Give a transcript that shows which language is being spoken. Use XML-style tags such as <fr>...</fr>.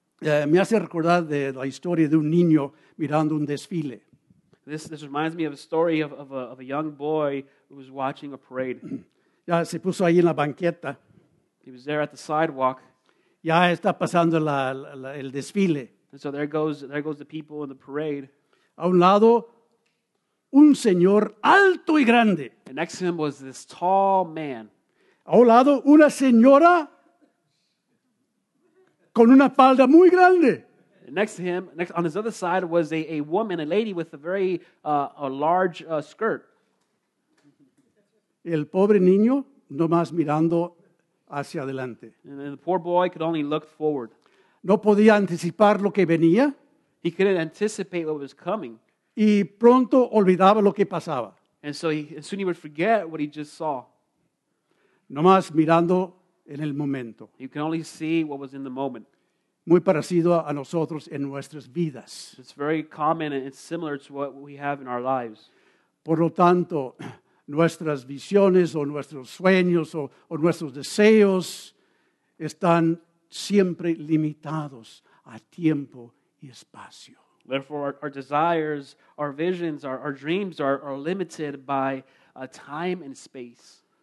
<es>Me hace recordar de la historia de un niño mirando un desfile.</es> <en>This reminds me of a story of a young boy who was watching a parade.</en> <es>Ya se puso ahí en la banqueta.</es> <en>He was there at the sidewalk.</en> <es>Ya está pasando el desfile.</es> <en>And so there goes the people in the parade.</en> <es>A un lado, un señor alto y grande.</es> <en>And next to him was this tall man.</en> <es>A un lado, una señora con una falda muy grande.</es> <en>And next to him, on his other side, was a woman, a lady with a very a large skirt.</en> <es>El pobre niño, nomás mirando hacia adelante.</es> <en>And the poor boy could only look forward.</en> <es>No podía anticipar lo que venía.</es> <en>He couldn't anticipate what was coming.</en> <es>Y pronto olvidaba lo que pasaba.</es> <en>And so soon he would forget what he just saw.</en> <es>Nomás mirando en el momento.</es> <en>You can only see what was in the moment.</en> <es>muy parecido a nosotros en nuestras vidas.</es> <en>It's very common and it's similar to what we have in our lives.</en> <es>Por lo tanto, nuestras visiones o nuestros sueños o nuestros deseos están siempre limitados a tiempo y espacio.</es> <en>Therefore, our desires, our visions, our dreams are limited by time and space.</en>